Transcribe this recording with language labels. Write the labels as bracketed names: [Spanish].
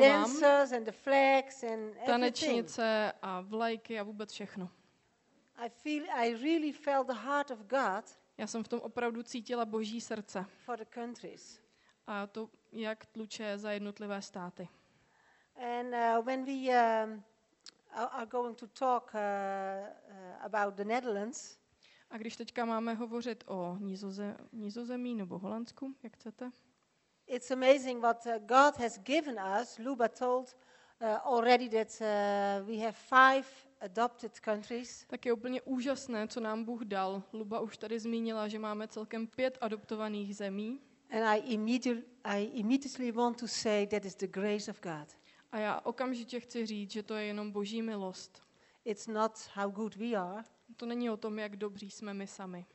[Czech] vám? [English] And the flags and [Czech] tanečnice a vlajky a vůbec všechno. [English] I really felt the heart of God. [Czech] Já jsem v tom opravdu cítila Boží srdce. [English] For the countries. [Czech] A to jak tluče za jednotlivé státy. [English] And when we are going to talk about the Netherlands. [Czech] A když teďka máme hovořit o Nizozemí nebo Holandsku, jak chcete? [English] It's amazing what God has given us. Luba told already that we have 5 adopted countries. [Czech] Tak je úplně úžasné, co nám Bůh dal. Luba už tady zmínila, že máme celkem 5 adoptovaných zemí. [English] And I immediately want to say that is the grace of God. [Czech] A já okamžitě chci říct, že to je jenom Boží milost. [English] It's not how good we are. [Czech] To není o tom, jak dobří jsme my sami.